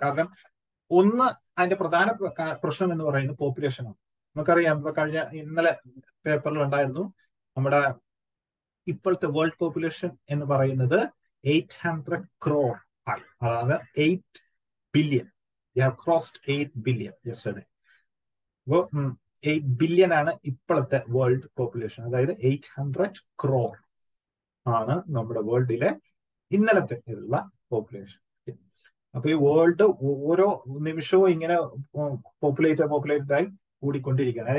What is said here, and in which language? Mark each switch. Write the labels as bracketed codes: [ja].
[ml] കാരണം ഒന്ന് അതിന്റെ പ്രധാന പ്രശ്നം എന്ന് പറയുന്നത് പോപ്പുലേഷനാണ്. നമുക്കറിയാം ഇപ്പൊ കഴിഞ്ഞ ഇന്നലെ പേപ്പറിൽ ഉണ്ടായിരുന്നു നമ്മുടെ ഇപ്പോഴത്തെ വേൾഡ് പോപ്പുലേഷൻ എന്ന് പറയുന്നത് 800 crore ആയി, അതായത് 8 billion. [en] We have crossed 8 billion yesterday. [ml] Well, 8 billion ആണ് ഇപ്പോഴത്തെ വേൾഡ് പോപ്പുലേഷൻ, അതായത് 800 crore ആണ് നമ്മുടെ വേൾഡിലെ ഇന്നലത്തെ ഉള്ള പോപ്പുലേഷൻ. അപ്പൊ ഈ വേൾഡ് ഓരോ നിമിഷവും ഇങ്ങനെ പോപ്പുലേറ്റഡ് ആയി കൂടിക്കൊണ്ടിരിക്കുകയാണ്.